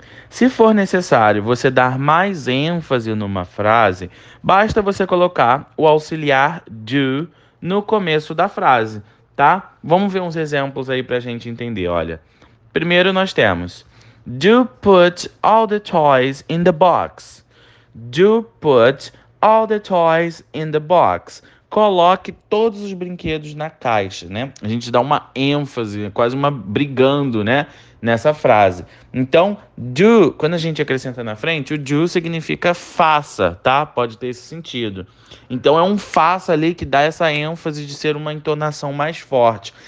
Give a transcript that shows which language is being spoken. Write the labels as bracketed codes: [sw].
[pt] Se for necessário você dar mais ênfase numa frase, basta você colocar o auxiliar do no começo da frase, tá? Vamos ver uns exemplos aí para a gente entender. Olha, primeiro nós temos: [en] Do put all the toys in the box. Do put all the toys in the box. [pt] Coloque todos os brinquedos na caixa, né? A gente dá uma ênfase, quase uma brigando, né? Nessa frase. Então, do, quando a gente acrescenta na frente, o do significa faça, tá? Pode ter esse sentido. Então, é um faça ali que dá essa ênfase de ser uma entonação mais forte.